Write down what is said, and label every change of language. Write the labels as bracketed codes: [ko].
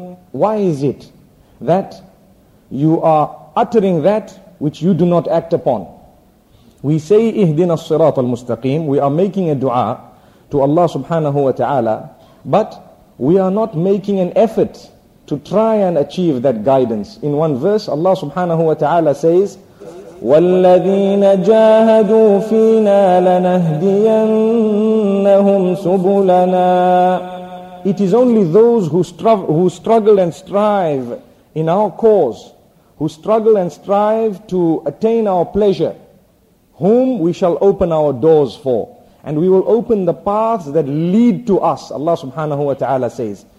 [en] Why is it that you are uttering that which you do not act upon? We say [ar] اِهْدِنَا الصِّرَاطُ الْمُسْتَقِيمُ, [en] we are making a dua to Allah subhanahu wa ta'ala, but we are not making an effort to try and achieve that guidance. In one verse, Allah subhanahu wa ta'ala says, [ar] والذين جاهدوا فينا لنهدينهم سبلنا. [en] It is only those who struggle and strive in our cause, who struggle and strive to attain our pleasure, whom we shall open our doors for. And we will open the paths that lead to us, Allah subhanahu wa ta'ala says.